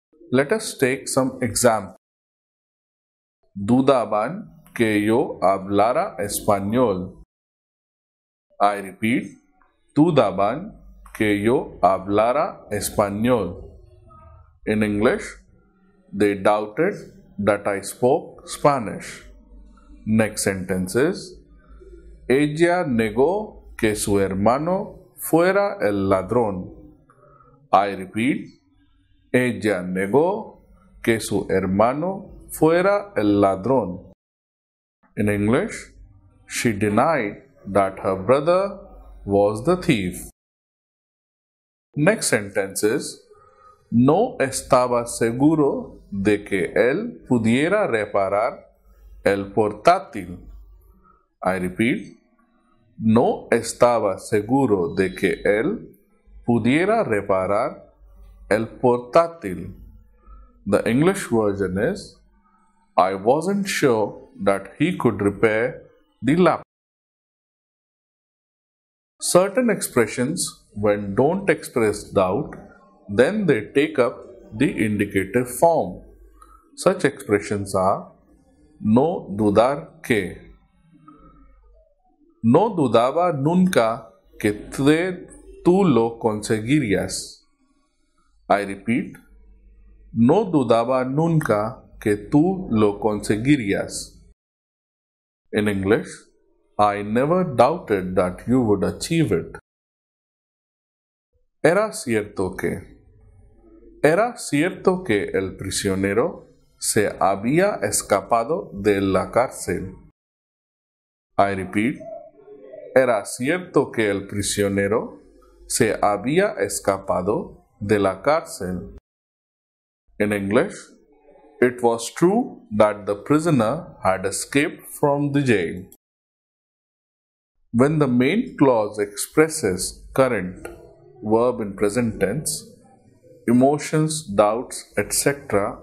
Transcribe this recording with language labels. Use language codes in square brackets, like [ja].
[en] Let us take some examples. [es] Dudaban que yo hablara español. [en] I repeat, [es] dudaban que yo hablara español. [en] In English, they doubted that I spoke Spanish. Next sentence is, [es] ella negó que su hermano fuera el ladrón. [en] I repeat, [es] ella negó que su hermano fuera el ladrón. [en] In English, she denied that her brother was the thief. Next sentence is, [es] no estaba seguro de que él pudiera reparar el portátil. [en] I repeat, [es] no estaba seguro de que él pudiera reparar el portátil. [en] The English version is, I wasn't sure that he could repair the laptop. Certain expressions, when don't express doubt, then they take up the indicative form. Such expressions are, no dudar que. [es] No dudaba nunca que tú lo conseguirías. [en] I repeat, [es] no dudaba nunca que tú lo conseguirías. [en] In English, I never doubted that you would achieve it. Era cierto que. [es] Era cierto que el prisionero se había escapado de la cárcel. [en] I repeat. [es] Era cierto que el prisionero se había escapado de la cárcel. [en] In English, it was true that the prisoner had escaped from the jail. When the main clause expresses current, verb in present tense, emotions, doubts, etc.